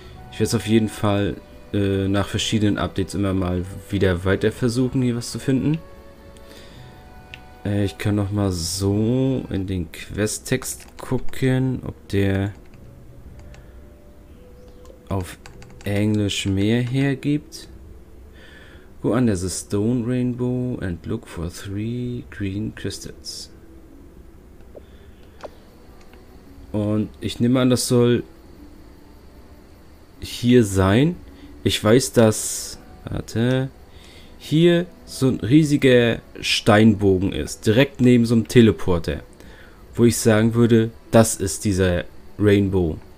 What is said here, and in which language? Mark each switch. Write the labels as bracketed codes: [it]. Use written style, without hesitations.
[de] Ich werde es auf jeden Fall... nach verschiedenen Updates immer mal wieder weiter versuchen, hier was zu finden. Ich kann noch mal so in den Questtext gucken, ob der auf Englisch mehr hergibt. [en] Go under the stone rainbow and look for 3 green crystals. [de] Und ich nehme an, das soll hier sein. Ich weiß, dass... Warte. hier so ein riesiger Steinbogen ist, direkt neben so einem Teleporter, wo ich sagen würde, das ist dieser Rainbow.